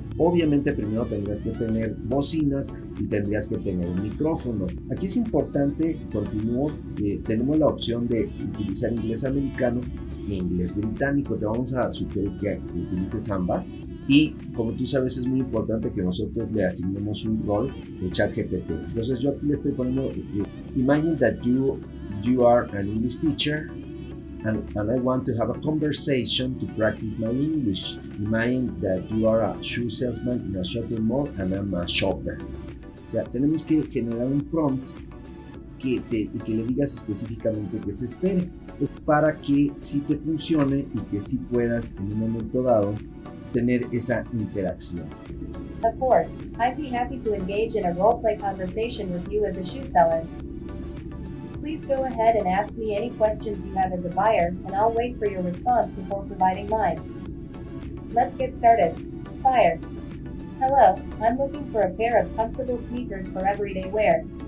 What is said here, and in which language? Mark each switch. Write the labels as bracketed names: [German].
[Spanish] Obviamente, primero tendrías que tener bocinas y tendrías que tener un micrófono. Aquí es importante, tenemos la opción de utilizar inglés americano e inglés británico. Te vamos a sugerir que utilices ambas. Y como tú sabes, es muy importante que nosotros le asignemos un rol de ChatGPT. Entonces, yo aquí le estoy poniendo: [English] Imagine that you are an English teacher and I want to have a conversation to practice my English. Imagine that you are a shoe salesman in a shopping mall and I'm a shopper. [Spanish] O sea, tenemos que generar un prompt que le digas específicamente que se espere, pues, para que sí te funcione y que sí puedas en un momento dado tener esa interacción. [English] Of course, I'd be happy to engage in a role-play conversation with you as a shoe seller. Please go ahead and ask me any questions you have as a buyer, and I'll wait for your response before providing mine. Let's get started. Buyer. Hello, I'm looking for a pair of comfortable sneakers for everyday wear.